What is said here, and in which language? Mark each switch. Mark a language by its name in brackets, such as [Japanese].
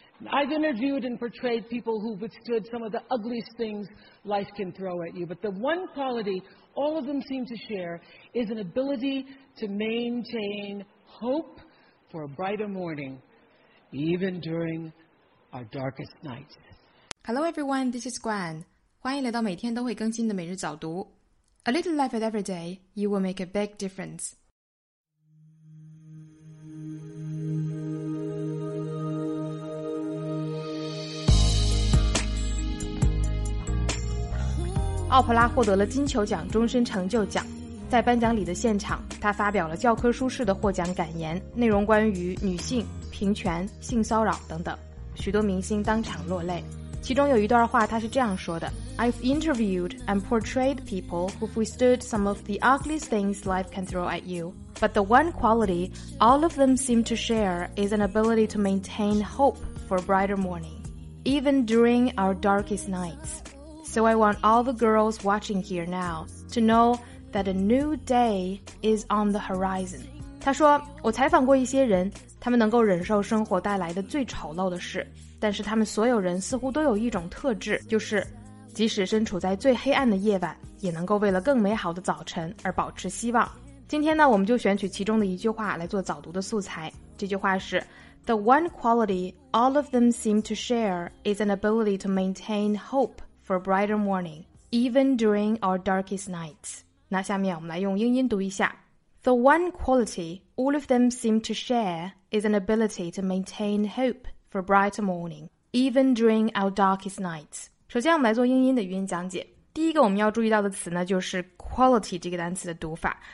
[English] I've interviewed and portrayed people who withstood some of the ugliest things life can throw at you. But the one quality all of them seem to share is an ability to maintain hope for a brighter morning, even during our darkest nights. Hello everyone, this is Gwen. [Chinese] 欢迎来到每天都会更新的每日早读。 [English] A little life at every day, you will make a big difference. [Chinese] 奥普拉获得了金球奖终身成就奖，在颁奖礼的现场，她发表了教科书式的获奖感言，内容关于女性、平权、性骚扰等等，许多明星当场落泪。其中有一段话，她是这样说的 ： [English] “I've interviewed and portrayed people who've withstood some of the ugliest things life can throw at you, but the one quality all of them seem to share is an ability to maintain hope for a brighter morning, even during our darkest nights.” So I want all the girls watching here now to know that a new day is on the horizon. [Chinese] 他说，我采访过一些人，他们能够忍受生活带来的最丑陋的事，但是他们所有人似乎都有一种特质，就是即使身处在最黑暗的夜晚，也能够为了更美好的早晨而保持希望。今天呢，我们就选取其中的一句话来做早读的素材。这句话是 [English] The one quality all of them seem to share is an ability to maintain hope. For a brighter morning, even during our darkest nights. [Chinese] 那下面我们来用英音读一下。 [English] The one quality all of them seem to share is an ability to maintain hope for a brighter morning, even during our darkest nights. [Chinese] 首先我们来做英音的语音讲解。第一个我们要注意到的词呢，就是 quality 这个单词的读法。